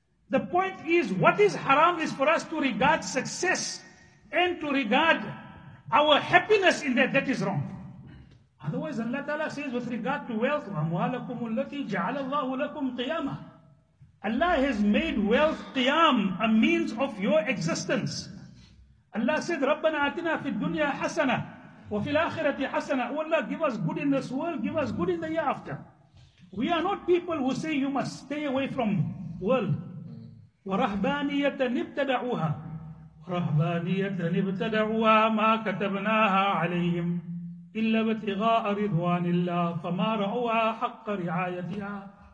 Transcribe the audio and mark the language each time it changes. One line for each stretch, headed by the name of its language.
English: The point is, what is haram is for us to regard success and to regard our happiness in that. That is wrong. Otherwise, Allah Ta'ala says with regard to wealth,
Arabic: وَأَمْوَالَكُمُ الَّتِي جَعَلَ اللَّهُ لَكُمْ قِيَامًا.
English: Allah has made wealth, qiyam, a means of your existence. Allah said,
Arabic: رَبَّنَا أَتِنَا فِي الدُّنْيَا حَسَنَةً وَفِي الْآخِرَةِ حَسَنَةً.
English: Oh Allah, give us good in this world, give us good in the year after. We are not people who say you must stay away from world.
Arabic: وَرَهْبَانِيَةً ابْتَدَعُوهَا رَهْبَانِيَةً ابْتَدَعُوهَا مَا كَتَبْنَاهَا عَلَيْهِمْ إِلَّا بَتِغَاءَ رِضْوَانِ اللَّهِ فَمَا رَعُوهَا حَقَّ رِعَايَتِهَا.